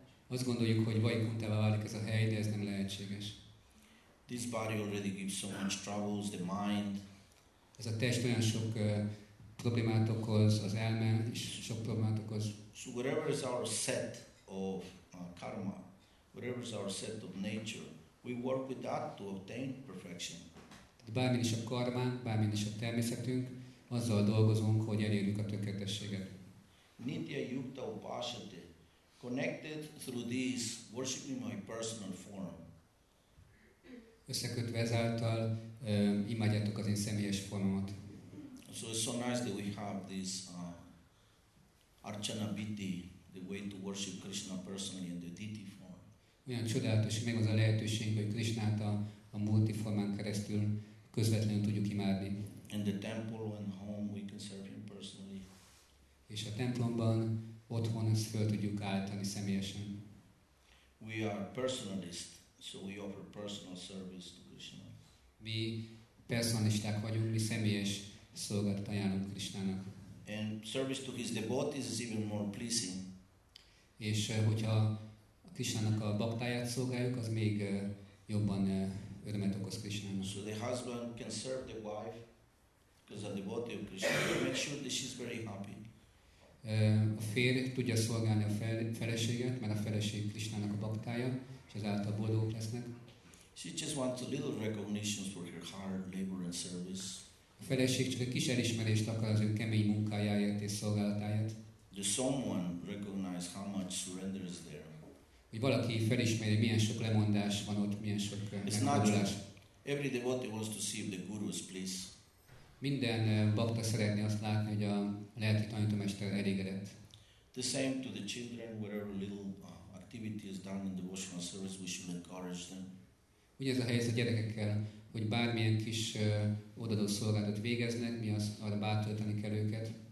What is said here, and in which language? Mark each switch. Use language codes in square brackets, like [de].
[hu] Azt gondoljuk, hogy Vajkuntává válik ez a hely, de ez nem lehetséges. [en] This body already gives so much troubles, the mind. [hu] Ez a test olyan sok problémát okoz, az elme is sok problémát okoz. [en] So whatever is our set of karma, whatever is our set of nature, we work with that to obtain perfection. [hu] Bármi is a karmánk, bármi is a természetünk, azzal dolgozunk, hogy elérjük a tökéletességet. [sa] Nitya Yukta Upasate, [en] connected through this, worshiping my personal form. [hu] Összekötve ezáltal imádjátok az én személyes formomat. [en] So it's so nice that we have this Archana Vidhi, the way to worship Krishna personally in the deity form. [hu] Olyan csodálatos, meg az a lehetőség, hogy Krishnát a multi formán keresztül közvetlenül tudjuk imádni. [en] In the temple and home we can serve him personally. [hu] És a templomban, otthon ezt fel tudjuk állítani személyesen. [en] We are personalist, so we offer personal service to Krishna. [hu] Mi personalisták vagyunk, mi személyes szolgálatot ajánlunk Krishnának. [en] And service to his devotees is even more pleasing. [hu] És hogyha a Krishnának a baktáját szolgáljuk, az még jobban örömet okoz Krishnának. [en] So the husband can serve the wife because a devotee of Krishna make sure that she's very happy. [hu] A férj tudja szolgálni a feleséget, mert a feleség Krisnának a baktája, és ezáltal boldogok lesznek. [en] She just wants a little recognition for her hard labor and service. [hu] A feleség csak egy kis elismerést akar az ő kemény munkájáért és szolgálatáért. [en] Does someone recognize how much surrender is there? [hu] Hogy valaki felismeri, milyen sok lemondás van ott, milyen sok megfordulás. [en] Every devotee wants to see if the guru is pleased. [hu] Minden bakta szeretné azt látni, hogy a lelki tanítómester elégedett. [en] The same to the children, whatever little activity is done in devotional service, we should encourage them. [hu] Ugye ez a helyzet a gyerekekkel, hogy bármilyen kis odaadó szolgálatot végeznek, mi az arra bátorítani kell őket.